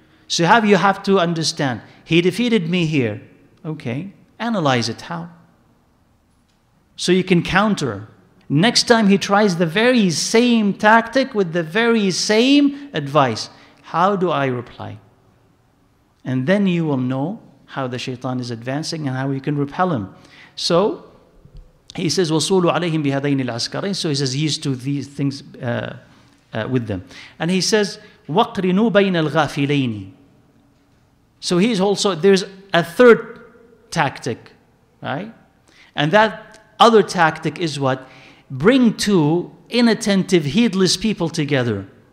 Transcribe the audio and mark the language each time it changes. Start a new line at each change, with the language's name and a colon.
English: So you have to understand, he defeated me here. Okay, analyze it, how? So you can counter. Next time he tries the very same tactic with the very same advice, How do I reply? And then you will know how the shaitan is advancing and how you can repel him. So he says,
Arabic: وَصُولُوا عَلَيْهِمْ بِهَذَيْنِ الْعَسْكَرِينَ.
English: So he says, he used to these things with them. And he says,
Arabic: وَقْرِنُوا بَيْنَ الْغَافِلَيْنِ.
English: So he's also, there's a third tactic, right? And that other tactic is what? Bring two inattentive, heedless people together.